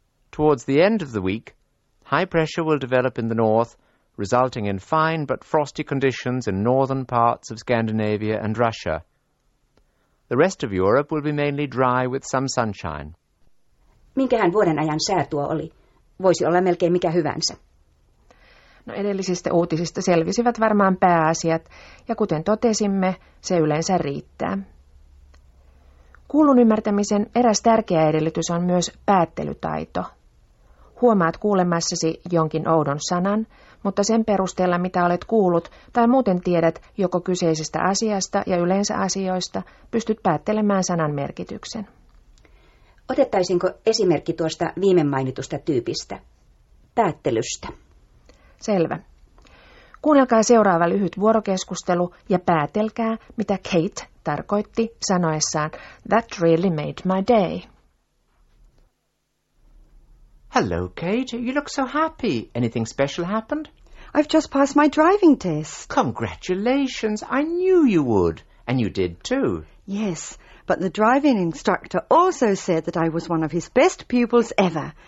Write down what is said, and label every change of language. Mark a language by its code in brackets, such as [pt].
[en] Towards the end of the week, high pressure will develop in the north, resulting in fine but frosty conditions in northern parts of Scandinavia and Russia. The rest of Europe will be mainly dry with some sunshine. [fi] Minkähän vuoden ajan sää tuo oli? Voisi olla melkein mikä hyvänsä. No, edellisistä uutisista selvisivät varmaan pääasiat, ja kuten totesimme, se yleensä riittää. Kuulun ymmärtämisen eräs tärkeä edellytys on myös päättelytaito. Huomaat kuulemassasi jonkin oudon sanan, mutta sen perusteella, mitä olet kuullut tai muuten tiedät joko kyseisestä asiasta ja yleensä asioista, pystyt päättelemään sanan merkityksen. Otettaisinko esimerkki tuosta viime mainitusta tyypistä? Päättelystä. Selvä. Kuunnelkaa seuraava lyhyt vuorokeskustelu ja päätelkää, mitä Kate tarkoitti sanoessaan [en] "That really made my day." Hello, Kate. You look so happy. Anything special happened? I've just passed my driving test. Congratulations. I knew you would. And you did too. Yes, but the driving instructor also said that I was one of his best pupils ever.